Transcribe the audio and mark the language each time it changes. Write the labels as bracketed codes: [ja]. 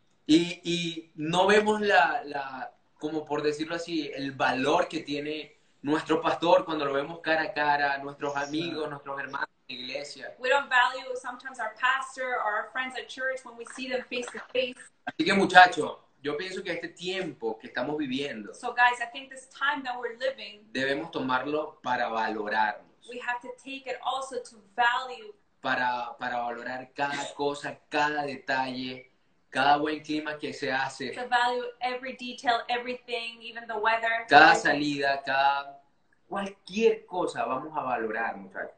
[es] Y no vemos la, como por decirlo así, el valor que tiene nuestro pastor cuando lo vemos cara a cara, nuestros amigos, nuestros hermanos en la iglesia. [en] We don't value sometimes our pastor or our friends at church when we see them face to face. [es] Así que muchachos, yo pienso que este tiempo que estamos viviendo, [en] so guys, I think this time that we're living, [es] debemos tomarlo para valorarnos. [en] We have to take it also to value. [es] Para valorar cada cosa, cada detalle, cada buen clima que se hace. [en] To value every detail, everything, even the weather. [es] Cada salida, cada cualquier cosa vamos a valorar, muchachos.